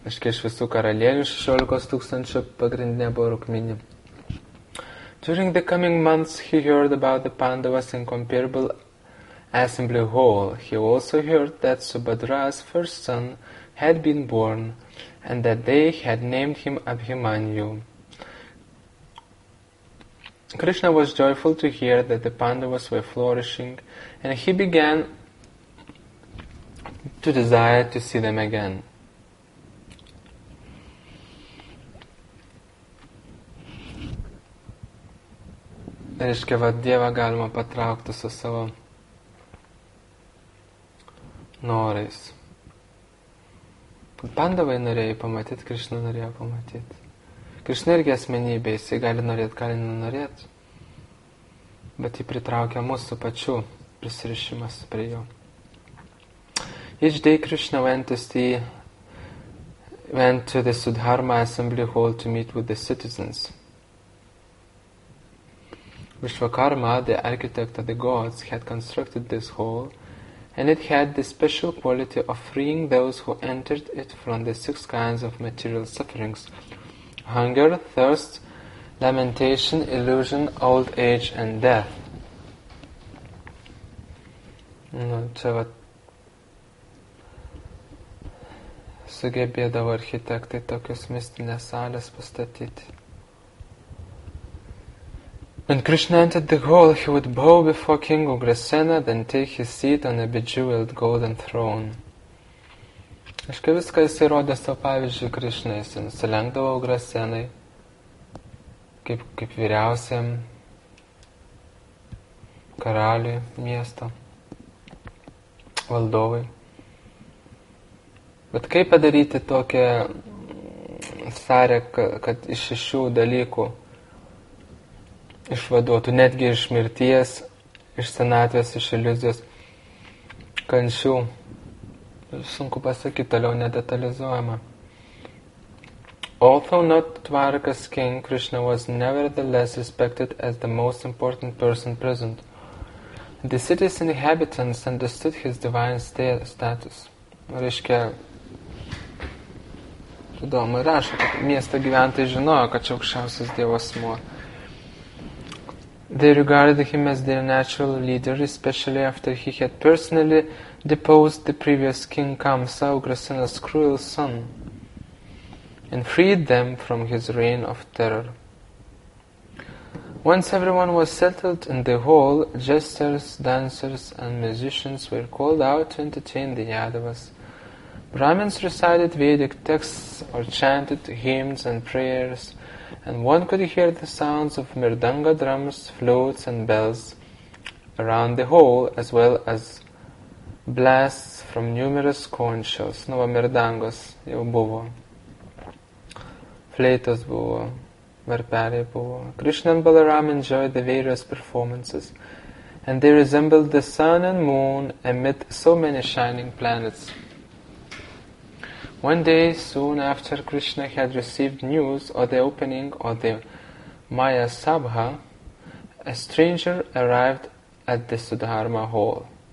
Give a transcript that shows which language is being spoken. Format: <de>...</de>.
<lt>Iš visų karalienių 16 tūkstančių pagrindinė buvo Rukmini.</lt> <en>During the coming months, he heard about the Pandavas' incomparable assembly hall. He also heard that Subhadra's first son had been born and that they had named him Abhimanyu. Krishna was joyful to hear that the Pandavas were flourishing and he began to desire to see them again.</en> <lt>Reiškia, va, Dievą galima patraukti su savo norais. Pandavai norėjo pamatyti, Krishna norėjo pamatyti. Krishna irgi asmenybė, jis gali norėti, gali nenorėti. Bet jį pritraukia mūsų pačių prisirišimas prie jo.</lt> <en>Each day Krishna went to the Sudharma Assembly Hall to meet with the citizens. Vishwakarma, the architect of the gods, had constructed this hall, and it had the special quality of freeing those who entered it from the six kinds of material sufferings: hunger, thirst, lamentation, illusion, old age, and death.</en> <lt>Nu, čia va, sugebėdavo architektai tokius mistinės salės pastatyti.</lt> <en>When Krishna entered the hall, he would bow before King Ugrasena, then take his seat on a bejeweled golden throne.</en> <lt>Aš kai viską jis įrodė savo pavyzdžiui Krishna, jis nusilenkdavo Ugrasenai, kaip vyriausiam karaliui miesto, valdovui. Bet kaip padaryti tokią sarę, kad iš šešių dalykų išvaduotų netgi iš mirties, iš senatvės, iš iliuzijos, kančių. Sunku pasakyti, toliau nedetalizuojama.</lt> <en>Although not Dvarka's king, Krishna was nevertheless respected as the most important person present. The city's inhabitants understood his divine status.</en> <lt>Reiškia, įdomu, rašo, kad miesto gyventojai žinojo, kad čia aukščiausias dievo asmuo.</lt> <en>They regarded him as their natural leader, especially after he had personally deposed the previous king Kamsa, Ugrasena's cruel son, and freed them from his reign of terror. Once everyone was settled in the hall, jesters, dancers, and musicians were called out to entertain the Yadavas. Brahmins recited Vedic texts or chanted hymns and prayers, and one could hear the sounds of mridanga drums, flutes and bells around the hall, as well as blasts from numerous conch shells.</en> <lt>Nu, va, mridangos jau buvo. Fleitos buvo. Varpeliai buvo.</lt> <en>Krishna and Balaram enjoyed the various performances, and they resembled the sun and moon amid so many shining planets. One day, soon after Krishna had received news of the opening of the Maya Sabha, a stranger arrived at the Sudharma hall.</en>